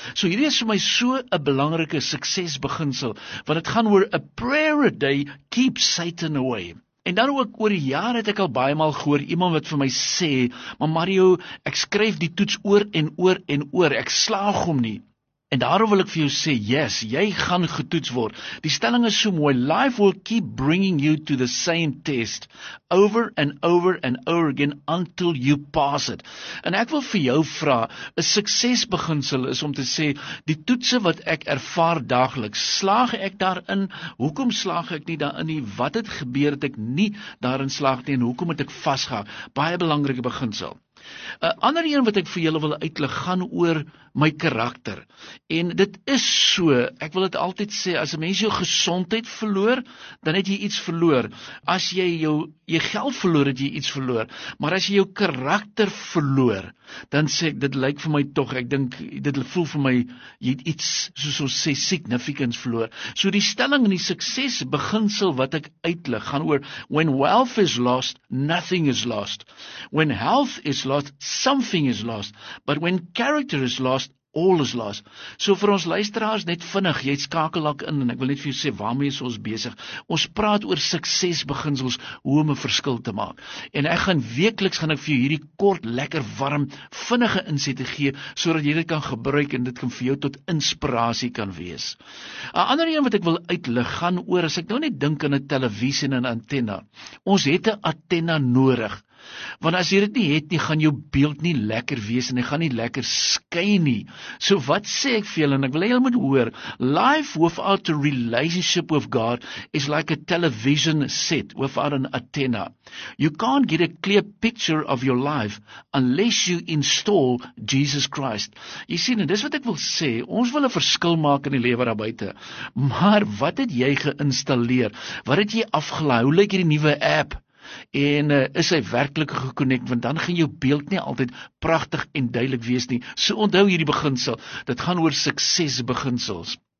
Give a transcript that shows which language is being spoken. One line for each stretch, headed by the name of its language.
Afrikaans: So hier is vir my so 'n belangrike suksesbeginsel, want het gaan oor,
English: a prayer a day keeps Satan away.
Afrikaans: En dan ook, oor die jaar het ek al baie maal gehoor, iemand wat vir my sê, maar Mario, ek skryf die toets oor en oor en oor, ek slaag hom nie. En daarom wil ek vir jou sê, yes, jy gaan getoets word. Die stelling is so mooi,
English: life will keep bringing you to the same test, over and over and over again, until you pass it.
Afrikaans: En ek wil vir jou vra, 'n suksesbeginsel is om te sê, die toetse wat ek ervaar dagelijks, slaag ek daarin, hoekom slaag ek nie daarin nie, wat het gebeur dat ek nie daarin slaag nie, en hoekom het ek vasgehaak, baie belangrike beginsel. Ander een wat ek vir julle wil uitlig gaan oor my karakter. En dit is so, ek wil dit altyd sê, as 'n mens jou gesondheid verloor, dan het jy iets verloor. As jy jou geld verloor, het jy iets verloor. Maar as jy jou karakter verloor, dan sê ek, dit lyk vir my toch, ek dink, dit voel vir my, jy het iets, soos ons sê, significance verloor. So die stelling en die sukses beginsel wat ek uitlig gaan oor,
English: when wealth is lost,
Afrikaans: nothing is lost.
English: When health is lost, something is lost. But when character is lost, all is lost.
Afrikaans: So vir ons luisteraars net vinnig, jy het skakelak in en ek wil net vir jou sê, waarmee is ons besig? Ons praat oor suksesbeginsels, hoe om 'n verskil te maak. En ek gaan weekliks gaan ek vir jou hierdie kort, lekker, warm, vinnige insette gee, sodat jy dit kan gebruik en dit kan vir jou tot inspirasie kan wees. 'n Ander een wat ek wil uitlig, gaan oor, as ek nou net dink aan 'n televisie en 'n antenna. Ons het 'n antenna nodig. Want as jy dit nie het nie, gaan jou beeld nie lekker wees en hy gaan nie lekker skyn nie. So wat sê ek vir julle, en ek wil julle moet hoor,
English: life without a relationship with God is like a television set without an antenna. You can't get a clear picture of your life unless you install Jesus Christ.
Afrikaans: Jy sien, en dis wat ek wil sê, ons wil 'n verskil maak in die lewe daar buite. Maar wat het jy geïnstalleer? Wat het jy afgelaai? Hoe lyk hierdie nuwe app? En is hy werklik gekonnekt, want dan gaan jou beeld nie altyd pragtig en duidelik wees nie. So onthou hierdie beginsel, dit gaan oor suksesbeginsels.